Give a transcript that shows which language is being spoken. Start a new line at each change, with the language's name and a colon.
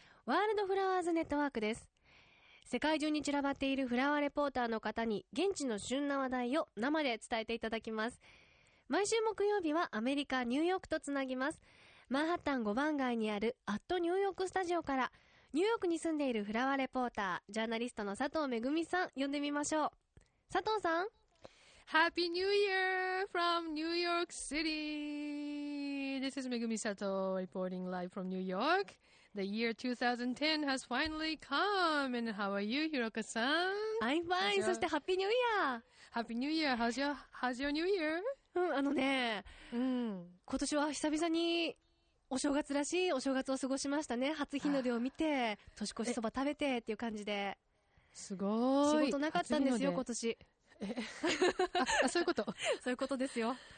Japanese: ワールドフラワーズネットワークです。世界中に散らばっているフラワーレポーターの方に現地の旬な話題を生で伝えていただきます。毎週木曜日はアメリカニューヨークとつなぎます。マンハッタン5番街にあるアットニューヨークスタジオから、ニューヨークに住んでいるフラワーレポータージャーナリストの佐藤めぐみさん呼んでみましょう。佐藤さん、
English: Happy New Year from New York City! This is Megumi Sato reporting live from New York. The year 2010 has finally come. And how are you, Hiroka-san? I'm fine.
Japanese: そして
English: Happy New Year! Happy New Year! How's your New Year?
Japanese: うん、今年は久々にお正月らしいお正月を過ごしましたね。初日の出を見て、年越しそば食べてっていう感じで。すごい。仕事なかったんですよ、今年。あ、そういうこと。そういうことですよ。